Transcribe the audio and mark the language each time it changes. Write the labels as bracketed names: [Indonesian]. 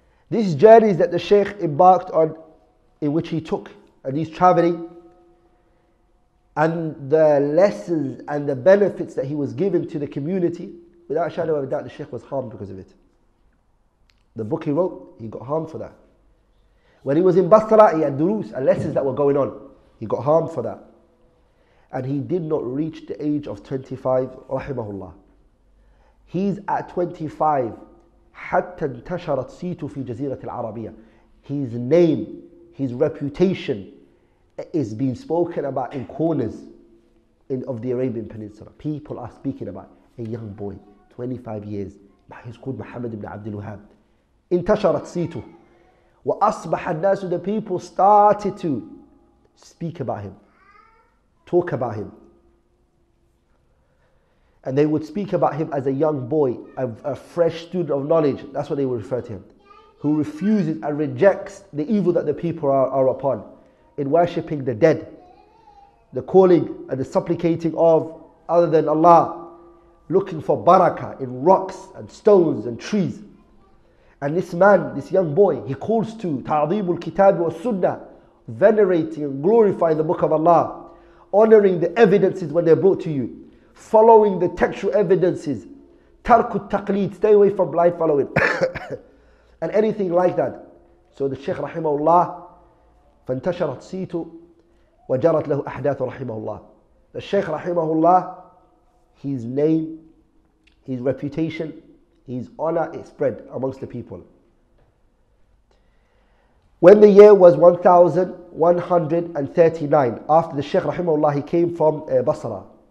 [English] These journeys that the Shaykh embarked on, in which he took, and he's traveling, and the lessons and the benefits that he was given to the community, without a shadow of a doubt, the Shaykh was harmed because of it. The book he wrote, he got harmed for that. When he was in Basra, he had durus and lessons that were going on. He got harmed for that. And he did not reach the age of 25, rahimahullah. He's at 25. [Arabic] حتى انتشرت سيته في جزيرة العربية. [English] His name, his reputation is being spoken about in corners in, of the Arabian Peninsula. People are speaking about a young boy, 25 years. He's called Muhammad ibn Abdul Wahab. [Arabic] انتشرت سيته. وأصبح الناس, [English] the people started to speak about him, talk about him. And they would speak about him as a young boy, a fresh student of knowledge. That's what they would refer to him. Who refuses and rejects the evil that the people are upon in worshipping the dead, the calling and the supplicating of other than Allah, looking for barakah in rocks and stones and trees. And this man, this young boy, he calls to ta'zeem al-kitab wa sunnah, venerating and glorifying the book of Allah, honoring the evidences when they're brought to you, following the textual evidences, tarku taqleed, stay away from blind following, and anything like that. So the Shaykh [Arabic] rahimahullah, فانتشرت سيته وجرت له أحداث رحمه الله. [English] The Shaykh rahimahullah, his name, his reputation, his honor, it spread amongst the people. When the year was 1139, after the Shaykh rahimahullah, he came from Basra.